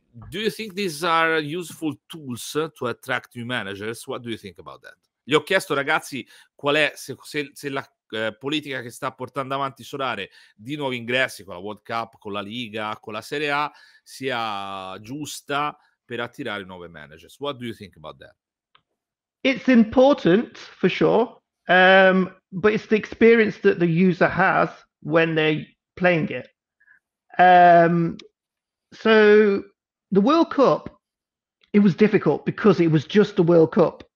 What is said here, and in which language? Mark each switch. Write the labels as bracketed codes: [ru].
[en] Do you think these are useful tools to attract new managers? What do you think about that? [it] Gli ho chiesto, ragazzi, qual è se la politica che sta portando avanti Sorare di nuovi ingressi con la World Cup, con la Liga, con la Serie A sia giusta per attirare nuovi managers. [en] What do you think about that? It's important for sure, but it's the experience that the user has when they're playing it. So the World Cup, it was difficult because it was just the World Cup.